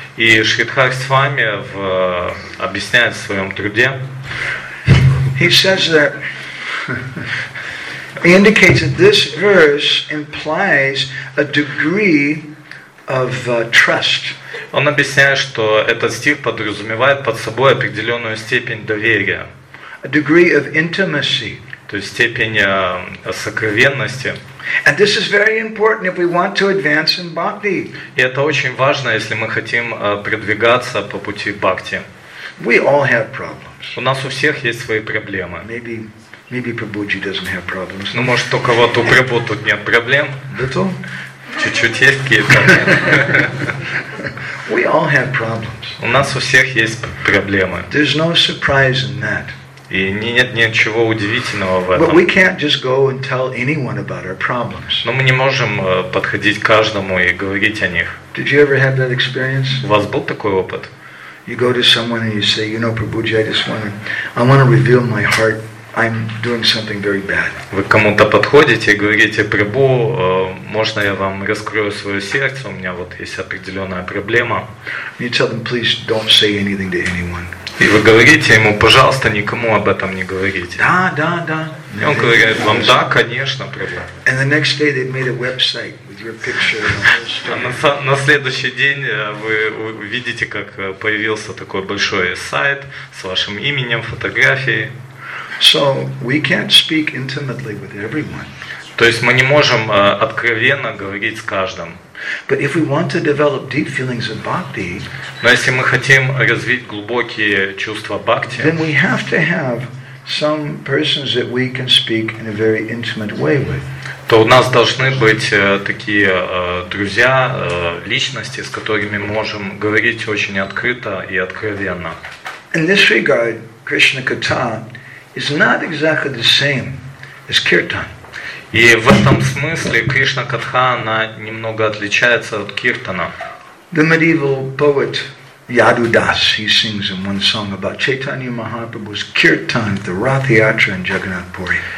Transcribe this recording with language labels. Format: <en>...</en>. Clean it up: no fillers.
<ru>И Шридхар Свами объясняет в своем труде.</ru> <en>He says that he indicates that this verse implies a degree of trust.</en> <ru>Он объясняет, что этот стих подразумевает под собой определенную степень доверия.</ru> <en>A degree of intimacy.</en> <ru>То есть степень сокровенности.</ru> <en>And this is very important if we want to advance in bhakti.</en> <ru>И это очень важно, если мы хотим продвигаться по пути бхакти.</ru> <en>We all have problems.</en> <ru>У нас у всех есть свои проблемы.</ru> <en>Maybe Prabhuji doesn't have problems.</en> <ru>Ну, может, только вот у Прабу тут нет проблем.</ru> <en>Little?</en> <ru>Чуть-чуть есть какие-то.</ru> <en>We all have problems.</en> <ru>У нас у всех есть проблемы.</ru> <en>There's no surprise in that.</en> <ru>И нет ничего удивительного в этом.</ru> <en>But we can't just go and tell anyone about our problems.</en> <ru>Но мы не можем подходить к каждому и говорить о них.</ru> <en>Did you ever have that experience?</en> <ru>У вас был такой опыт?</ru> <en>You go to someone and you say, you know, Prabhuji, I want to reveal my heart I'm doing something very bad.</en> <ru>Вы кому-то подходите и говорите: «Прибу, можно я вам раскрою свое сердце? У меня вот есть определенная проблема».</ru> <en>You tell them, please don't say anything to anyone.</en> <ru>И вы говорите ему: «Пожалуйста, никому об этом не говорите». Да, да, да. И он говорит вам: «Да, конечно, прибу».</ru> <en>And the next day they made a website with your picture.</en> <ru>На следующий день вы увидите, как появился такой большой сайт с вашим именем, фотографией.</ru> <en>So we can't speak intimately with everyone.</en> <ru>То есть мы не можем откровенно говорить с каждым.</ru> <en>But if we want to develop deep feelings of bhakti,</en> <ru>но если мы хотим развить глубокие чувства бхакти,</ru> <en>then we have to have some persons that we can speak in a very intimate way with.</en> <ru>То у нас должны быть такие друзья, личности, с которыми мы можем говорить очень открыто и откровенно.</ru> <en>In this regard, Krishna Katha is not exactly the same as kirtan.</en> <ru>И в этом смысле Кришна Катха она немного отличается от киртана.</ru> <en>The medieval poet Yadudas, he sings in one song about Chaitanya Mahaprabhu's kirtan, the Rathyatra in Jagannath Puri.</en>